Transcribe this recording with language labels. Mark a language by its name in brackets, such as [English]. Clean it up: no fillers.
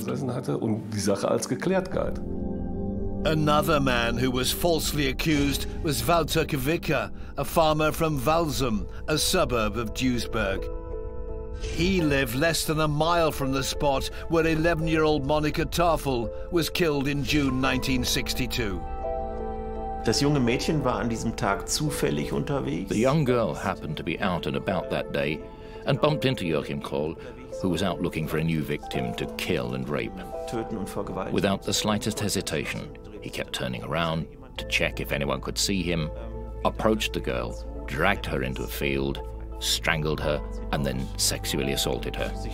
[English] Another man who was falsely accused was Walter Kvicker, a farmer from Walsum, a suburb of Duisburg. He lived less than a mile from the spot where 11-year-old Monika Tafel was killed in June 1962. [German] Das junge Mädchen war an diesem Tag zufällig unterwegs. [English] The young girl happened to be out and about that day and bumped into Joachim Kroll, who was out looking for a new victim to kill and rape. [German] Töten und vergewaltigen. [English] Without the slightest hesitation, he kept turning around to check if anyone could see him, approached the girl, dragged her into a field, strangled her, and then sexually assaulted her.